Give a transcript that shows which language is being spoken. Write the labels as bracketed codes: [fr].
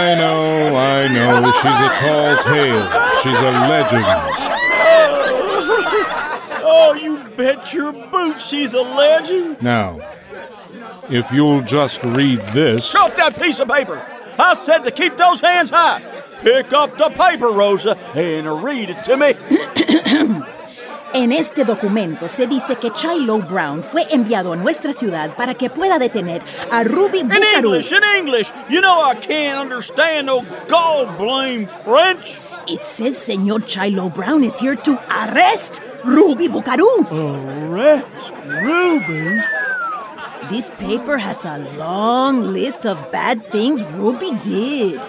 [en] I know. She's a tall tale. She's a legend. Oh, you bet your boots she's a legend. Now, if you'll just read this... Drop that piece of paper! I said to keep those hands high! Pick up the paper, Rosa, and read it to me. [es] En este documento se dice que Shiloh Brown fue enviado a nuestra ciudad para que pueda detener a Ruby Buckaroo. [en] In English! You know I can't understand no gall-blame French! It says Señor Shiloh Brown is here to arrest Ruby Buckaroo! Arrest Ruby? This paper has a long list of bad things Ruby did.